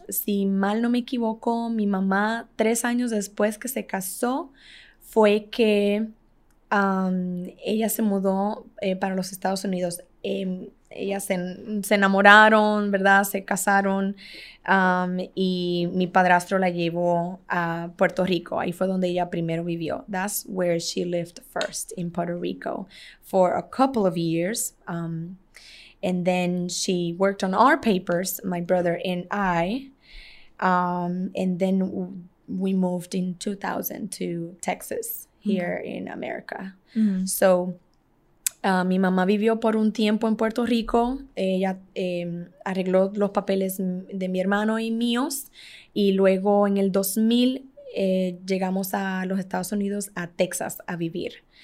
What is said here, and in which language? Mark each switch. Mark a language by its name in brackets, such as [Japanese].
[Spanish] Si mal no me equivoco, mi mamá, 3 años después que se casó, fue que ella se mudó para los Estados Unidos. Ellas se enamoraron, ¿verdad? Se casaron, y mi padrastro la llevó a Puerto Rico. Ahí fue donde ella primero vivió. [English] That's where she lived first, in Puerto Rico, for a couple of years. And then she worked on our papers, my brother and I. And then we moved in 2000 to Texas, here mm-hmm. in America. Mm-hmm. [Spanish] So mi mamá vivió por un tiempo en Puerto Rico. Ella arregló los papeles de mi hermano y míos. Y luego en el 2000 llegamos a los Estados Unidos, a Texas, a vivir.